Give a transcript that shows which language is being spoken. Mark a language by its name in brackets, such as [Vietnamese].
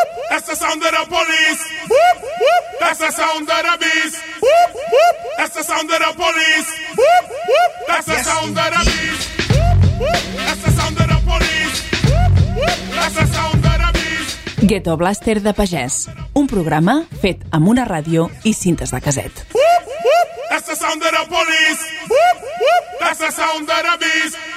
[English] That's the sound of the police. Whoop, whoop. That's the sound of the beast. Whoop, whoop. That's the sound of the police. Whoop, whoop. That's the sound of the beast. That's the sound of the police. Whoop, whoop. That's the sound of the beast. [Catalan] Ghetto Blaster de Pagès, un programa fet amb una ràdio i cintes de caset. [English] Whoop, whoop. That's the sound of the police. Whoop, whoop. That's the sound of the beast.